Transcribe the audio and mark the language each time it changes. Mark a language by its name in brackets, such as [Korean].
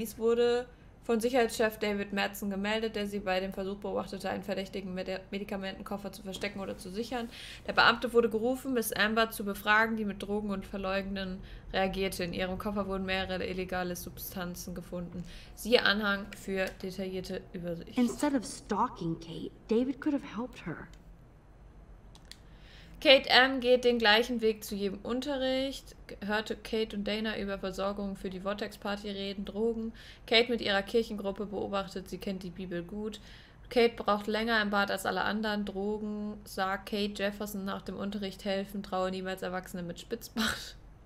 [German] Dies wurde von Sicherheitschef David Madsen gemeldet, der sie bei dem Versuch beobachtete, einen verdächtigen Medikamentenkoffer zu verstecken oder zu sichern. Der Beamte wurde gerufen, Miss Amber zu befragen, die mit Drogen und Verleugnen reagierte. In ihrem Koffer wurden mehrere illegale Substanzen gefunden. Siehe Anhang für detaillierte Übersicht. [English] Instead of stalking Kate, David could have helped her. [German] Kate M. geht den gleichen Weg zu jedem Unterricht, hörte Kate und Dana über Versorgung für die Vortex-Party reden, Drogen. Kate mit ihrer Kirchengruppe beobachtet, sie kennt die Bibel gut. Kate braucht länger im Bad als alle anderen, Drogen, sah Kate Jefferson nach dem Unterricht helfen, traue niemals Erwachsene mit Spitzbart.